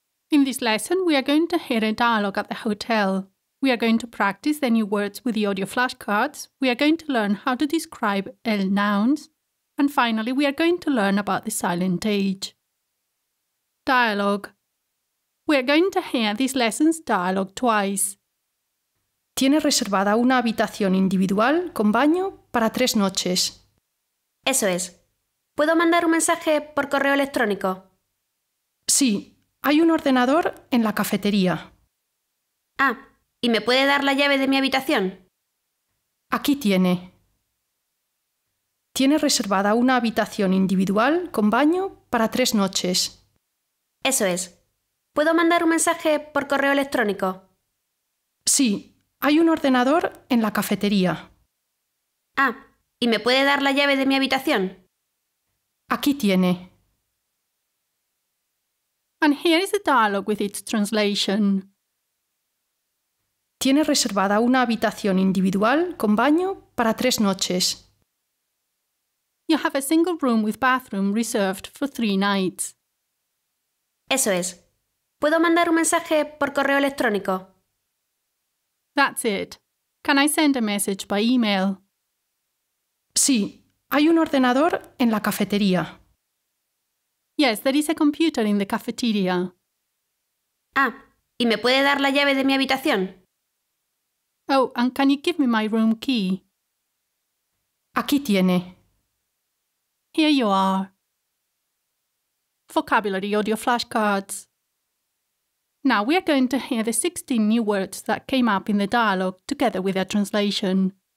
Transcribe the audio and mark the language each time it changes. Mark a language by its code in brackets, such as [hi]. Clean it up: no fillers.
[en] In this lesson, we are going to hear a dialogue at the hotel. We are going to practice the new words with the audio flashcards. We are going to learn how to describe el nouns. And finally, we are going to learn about the silent age. Dialogue. We are going to hear this lesson's dialogue twice. [es] Tiene reservada una habitación individual con baño para tres noches. Eso es. ¿Puedo mandar un mensaje por correo electrónico? Sí. Hay un ordenador en la cafetería. Ah, ¿y me puede dar la llave de mi habitación? Aquí tiene. Tiene reservada una habitación individual con baño para tres noches. Eso es. ¿Puedo mandar un mensaje por correo electrónico? Sí. Hay un ordenador en la cafetería. Ah, ¿y me puede dar la llave de mi habitación? Aquí tiene. [en] And here is the dialogue with its translation. [es] Tiene reservada una habitación individual con baño para tres noches. [en] You have a single room with bathroom reserved for three nights. [es] Eso es. ¿Puedo mandar un mensaje por correo electrónico? [en] That's it. Can I send a message by email? [es] Sí, hay un ordenador en la cafetería. [en] Yes, there is a computer in the cafeteria. [es] Ah, ¿y me puede dar la llave de mi habitación? [en] Oh, and can you give me my room key? [es] Aquí tiene. [en] Here you are. Vocabulary audio flashcards. Now we are going to hear the 16 new words that came up in the dialogue together with their translation.